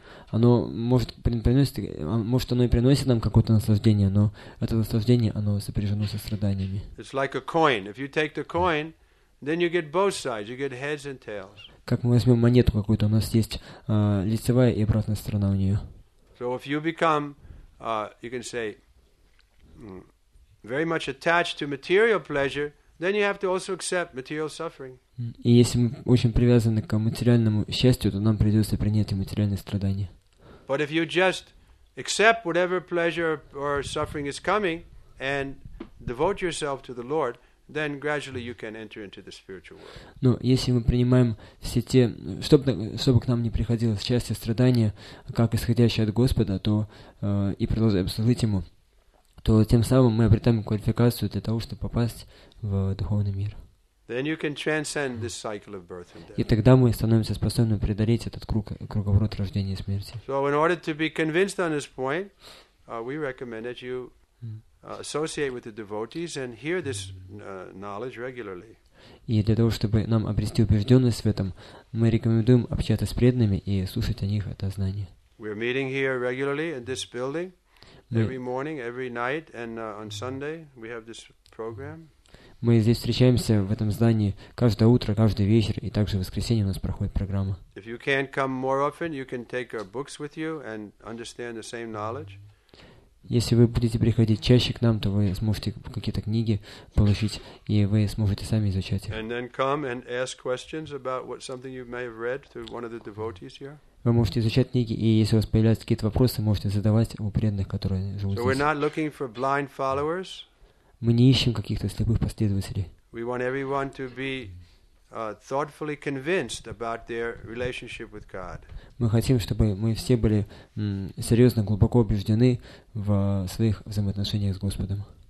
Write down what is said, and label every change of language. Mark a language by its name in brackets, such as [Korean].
[Russian] Оно может оно и приносит нам какое-то наслаждение, но это наслаждение оно сопряжено со страданиями. [English] It's like a coin. If you take the coin, then you get both sides. You get heads and tails. [Russian] Как мы возьмем монету какую-то, у нас есть лицевая и обратная сторона у нее. [English] So if you become, you can say, very much attached to material pleasure, then you have to also accept material suffering. [Russian] И если мы очень привязаны к материальному счастью, то нам придется принять и материальные страдания. [English] But if you just accept whatever pleasure or suffering is coming and devote yourself to the Lord, then gradually you can enter into the spiritual world. [Russian] Но если мы принимаем все те, чтобы к нам не приходило счастье, страдания, как исходящее от Господа, то и продолжаем служить Ему, то тем самым мы обретаем квалификацию для того, чтобы попасть в духовный мир. [English] Then you can transcend this cycle of birth and death. [Russian] И тогда мы становимся способны преодолеть этот круговорот рождения и смерти. [English] So in order to be convinced on this point, we recommend that you associate with the devotees and hear this knowledge regularly. [Russian] И для того, чтобы нам обрести убежденность в этом, мы рекомендуем общаться с преданными и слушать о них это знание. [English] We're meeting here regularly in this building every morning, every night, and on Sunday we have this program. [Russian] Мы здесь встречаемся в этом здании каждое утро, каждый вечер, и также в воскресенье у нас проходит программа. [English] If you can't come more often, you can take our books with you and understand the same knowledge. [Russian] Если вы будете приходить чаще к нам, то вы сможете какие-то книги получить, и вы сможете сами изучать их. [English] And then come and ask questions about what something you may have read through one of the devotees here. [Russian] Вы можете изучать книги, и если у вас появляются какие-то вопросы, можете задавать у преданных, которые живут здесь. [English] So we're not looking for blind followers. [Russian] Мы не ищем каких-то слепых последователей. Мы хотим, чтобы мы все были серьезно, глубоко убеждены в своих взаимоотношениях с Господом.